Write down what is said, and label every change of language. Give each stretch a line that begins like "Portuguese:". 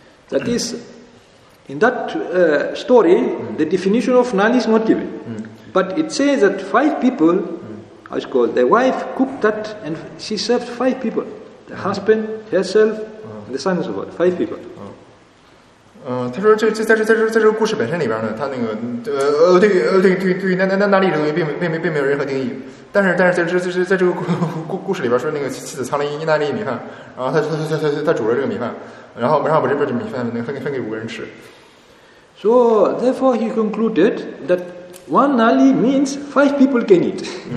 English: That is, in that story, the definition of Nali is not given. But it says that five people, I suppose, the wife cooked that and she served five people. The husband, herself, the son and so forth, five people.
Chinese: 他说这个故事本身里边呢，他那个对那里这个东西并没有任何定义，但是在这个故事里边说，那个妻子藏了一纳利米饭，然后他煮了这个米饭，然后把这份米饭分给五个人吃。
English: So therefore he concluded that one nali means five people can eat.